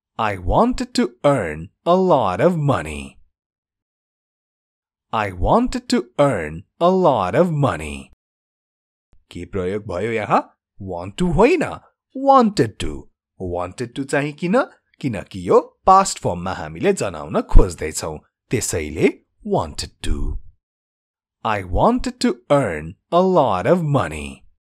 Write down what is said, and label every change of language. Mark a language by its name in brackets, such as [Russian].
[English] I wanted to earn a lot of money I wanted to earn a lot of money [Nepali] के प्रयोग भयो यहाँ want to होइन wanted to चाहिँ किन किनकि यो past formमा हामीले जनाउन खोज्दै छौ त्यसैले [English] wanted to I wanted to earn a lot of money.